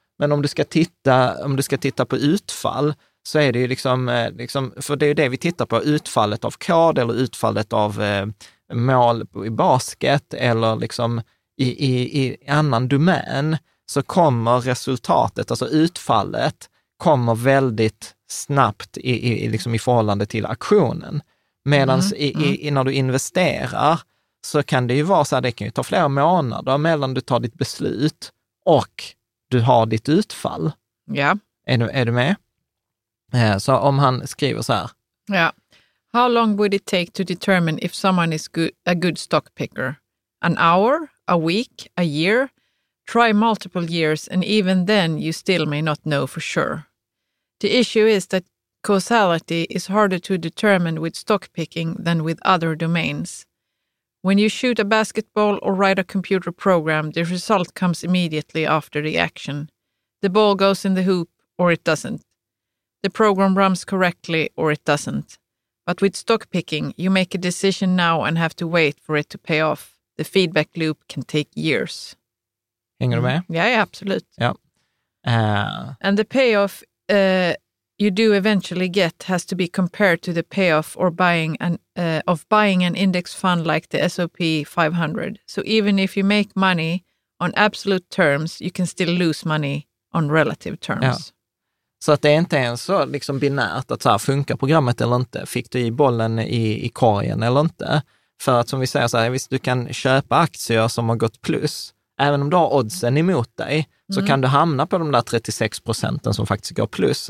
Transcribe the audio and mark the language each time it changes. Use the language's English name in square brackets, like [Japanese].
[Swedish] Men om du ska titta på utfall, så är det ju liksom, för det är ju det vi tittar på, utfallet av kod eller utfallet av mål i basket eller liksom i annan domän, så kommer resultatet, alltså utfallet, kommer väldigt snabbt i förhållande till aktionen. Medans när du investerar så kan det ju vara så här, det kan ju ta flera månader mellan du tar ditt beslut och du har ditt utfall. Ja. Är du med? Så om han skriver så här. Ja. [English] How long would it take to determine if someone is a good stock picker? An hour? A week? A year? Try multiple years and even then you still may not know for sure. The issue is that causality is harder to determine with stock picking than with other domains. When you shoot a basketball or write a computer program, the result comes immediately after the action. The ball goes in the hoop or it doesn't. The program runs correctly or it doesn't. But with stock picking, you make a decision now and have to wait for it to pay off. The feedback loop can take years. [Swedish] Hänger du med? Ja, absolut. Ja. [English] And the payoff you do eventually get has to be compared to the payoff or buying an index fund like the S&P 500. So even if you make money on absolute terms, you can still lose money on relative terms. Ja. [Swedish] Så att det inte ens så liksom binärt att så här funkar programmet eller inte. Fick du i bollen i korgen eller inte? För att som vi säger så här, visst du kan köpa aktier som har gått plus. Även om du har oddsen emot dig så kan du hamna på de där 36% som faktiskt går plus.